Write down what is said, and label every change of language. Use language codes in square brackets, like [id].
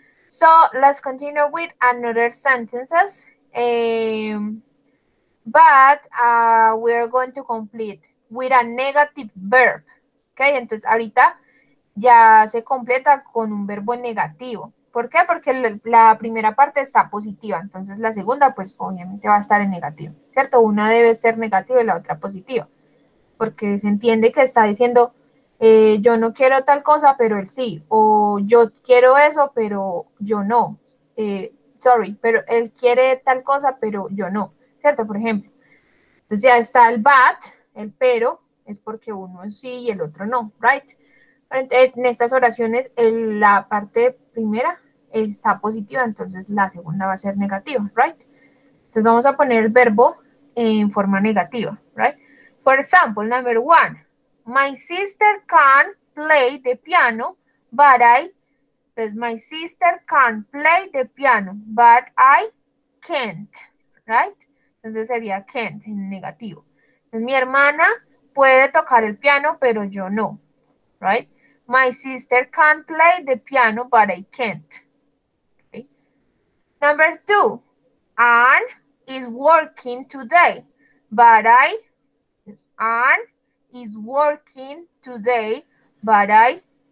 [en] So, let's continue with another sentences, we're going to complete with a negative verb, okay? [es] Entonces, ahorita ya se completa con un verbo negativo. ¿Por qué? Porque la primera parte está positiva, entonces la segunda, pues, obviamente va a estar en negativo, ¿cierto? Una debe ser negativa y la otra positiva, porque se entiende que está diciendo, yo no quiero tal cosa, pero él sí, o yo quiero eso, pero yo no, pero él quiere tal cosa, pero yo no, ¿cierto? Por ejemplo, entonces ya está el but, el pero, es porque uno sí y el otro no, ¿right? En estas oraciones, la parte primera está positiva, entonces la segunda va a ser negativa, ¿right? Entonces vamos a poner el verbo en forma negativa, ¿right? [en] For example, number one. My sister can play the piano, but I, pues my sister can play the piano, but I can't, right? [es] Entonces sería can't en negativo. Entonces, mi hermana puede tocar el piano, pero yo no, right? [en] My sister can play the piano, but I can't, okay? Number two, Anne is working today, but I, Anne is working today, but I...